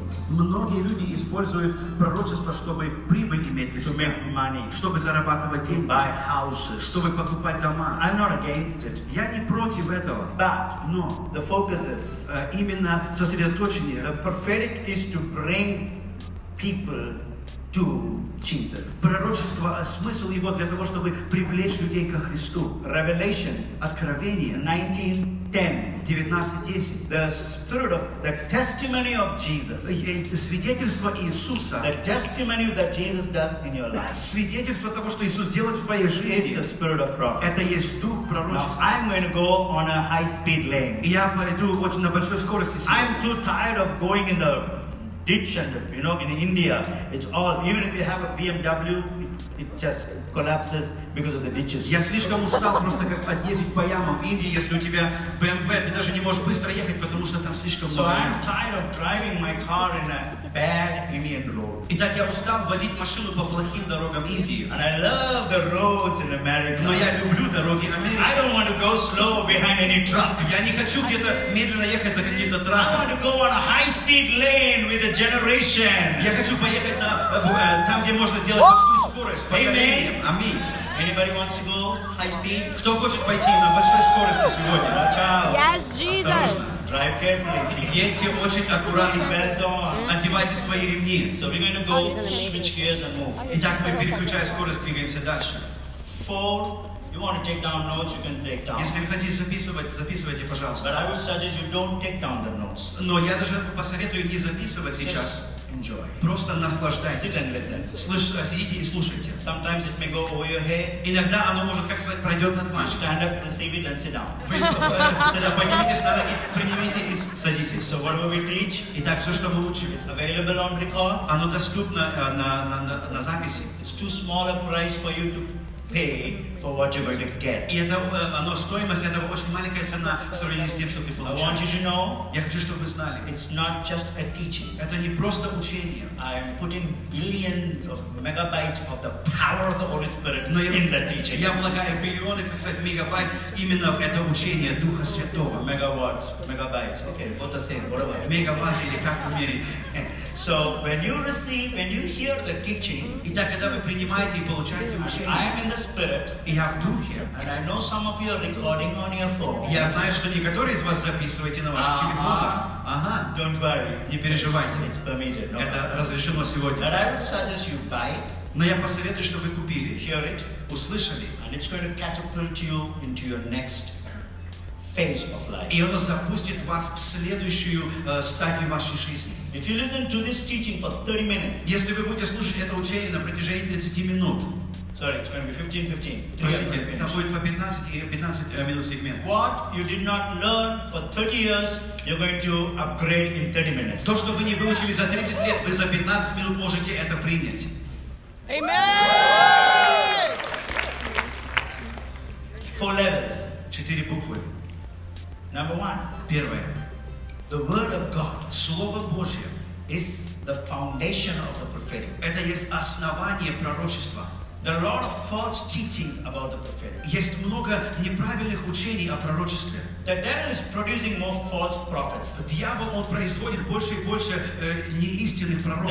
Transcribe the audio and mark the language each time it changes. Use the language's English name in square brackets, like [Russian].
[Russian] Многие люди используют пророчество, чтобы прибыль иметь для себя, [English] money, [Russian] чтобы зарабатывать деньги, [English] buy houses, [Russian] чтобы покупать дома. [English] I'm not against it. [Russian] Я не против этого. [English] But [Russian] но [English] the focus is, [Russian] именно сосредоточение. [English] The prophetic is to bring people to Jesus. [Russian] Пророчество, смысл его для того, чтобы привлечь людей ко Христу. [English] Revelation, [Russian] откровение, [English] 19:10. The spirit of the testimony of Jesus. [Russian] Свидетельство Иисуса. [English] The testimony that Jesus does in your life. [Russian] Свидетельство того, что Иисус делает в твоей жизни. [English] Is the spirit of prophecy. [Russian] Это есть дух пророчества. [English] I'm going to go on a high speed lane. [Russian] Я пойду очень на большой скорости. [English] I'm too tired of going in the ditch, and you know, in India, it's all, even if you have a BMW, it just collapses because of the ditches. [Russian] Я слишком устал просто как ездить по ямам в Индии, если у тебя BMW, ты даже не можешь быстро ехать, потому что там слишком много. [English] So I'm tired of driving my car in a bad Indian road. [Russian] Итак, я устал водить машину по плохим дорогам Индии. [English] And I love the roads in America. [Russian] Но я люблю дороги Америки. [English] I don't want to go slow behind any truck. [Russian] Я не хочу где-то медленно ехать за каким-то трактом. [English] I want to go on a high-speed lane with a generation. [Russian] Я хочу поехать на там, где можно делать большую скорость. Аминь. [English] Anybody wants to go high speed? [Russian] Кто хочет пойти на большой скорости сегодня? [English] Watch out. Yes, Jesus. Drive carefully. [Russian] Едьте очень аккуратно. [English] Belt on. [Russian] Одевайте свои ремни. [English] So we're going to go switch gears and move. [Russian] Итак, мы переключая скорость, двигаемся дальше. [English] Four. You want to take down notes, you can take down. [Russian] Если вы хотите записывать, записывайте, пожалуйста. [English] But I would suggest you don't take down the notes. [Russian] Но я даже посоветую не записывать сейчас. [English] Enjoy. [Russian] Просто наслаждайтесь. [English] Sit and listen. [Russian] Сидите и слушайте. [English] Sometimes it may go over your head. [Russian] Иногда оно может как сказать пройдет над вами. [English] Stand up, receive it and sit down. [Russian] Тогда поднимитесь на ноги, принимите и садитесь. [English] So what will we teach? [Russian] Итак, все, что мы учим. [English] It's available on record. [Russian] Оно доступно на записи. [English] It's too small a price for you to pay for what you're going to get. [Russian] И это оно стоимость этого очень маленькая цена в сравнении с тем, что ты получаешь. [English] I want you to know. [Russian] Я хочу, чтобы вы знали. [English] It's not just a teaching. [Russian] Это не просто учение. [English] I'm putting billions of megabytes of the power of the Holy Spirit in that teaching. [Russian] Я влагаю миллионы, как сказать, мегабайт именно в это учение Духа Святого. [English] Megawatts, megabytes. Okay, what to say? Whatever. [Russian] Мегабайт или как умерить? [English] So when you receive, when you hear the teaching, [Russian] итак, когда вы принимаете и получаете учение, [English] I am in the spirit. [Russian] И я в духе. [English] And I know some of you are recording on your phone. [Russian] Я знаю, что некоторые из вас записываете на ваших телефонах. Ага. [English] Don't worry. [Russian] Не переживайте. [English] It's permitted. No. [Russian] Это разрешено сегодня. [English] But I would suggest you buy it. [Russian] Но я посоветую, что вы купили. [English] Hear it. [Russian] Услышали. [English] And it's going to catapult you into your next phase of life. [Russian] И оно запустит вас в следующую стадию вашей жизни. [English] If you listen to this teaching for 30 minutes, [Russian] если вы будете слушать это учение на протяжении 30 минут, [English] sorry, it's going to be 15-15. [Russian] Простите, там будет по 15 минут сегмент. [English] What you did not learn for 30 years, you're going to upgrade in 30 minutes. [Russian] То, что вы не выучили за 30 лет, вы за 15 минут можете это принять. [English] Amen! Four levels. [Russian] Четыре буквы. [English] Number one. [Russian] Первое. [English] The word of God, [Russian] Слово Божье, [English] is the foundation of the prophetic. [Russian] Это есть основание пророчества. [English] There are a lot of false teachings about the prophetic. [Russian] Есть много неправильных учений о пророчестве. [English] The devil is producing more false prophets. [Russian] Дьявол, он производит больше и больше неистинных пророков.